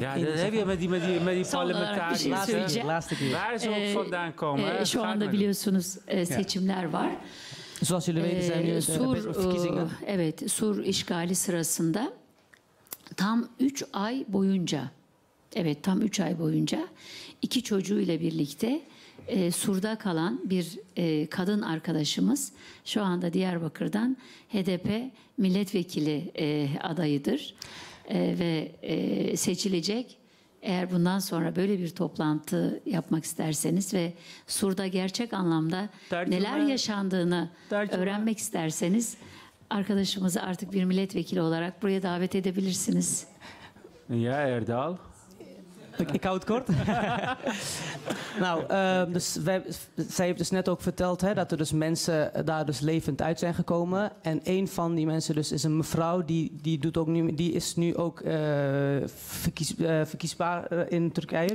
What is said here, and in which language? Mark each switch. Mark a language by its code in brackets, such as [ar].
[nl] ja, dat heb je met die parlementariërs. Laatste keer. Waar ze ook vandaan komen. [tr] Şu anda biliyorsunuz seçimler var. [nl] Zoals jullie weten zijn nu Sur, verkiezingen. [tr] Evet, Sur işgali sırasında tam 3 ay boyunca, evet tam 3 ay boyunca iki çocuğuyla birlikte Sur'da kalan bir kadın arkadaşımız şu anda Diyarbakır'dan HDP milletvekili adayıdır ve seçilecek. Eğer bundan sonra böyle bir toplantı yapmak isterseniz ve Sur'da gerçek anlamda neler yaşandığını öğrenmek isterseniz arkadaşımızı artık bir milletvekili olarak buraya davet edebilirsiniz. Ya Erdal? [nl] Ik hou het kort. Nou, zij heeft dus net ook verteld hè, dat er dus mensen daar dus levend uit zijn gekomen. En een van die mensen dus is een mevrouw die is nu ook verkiesbaar in Turkije.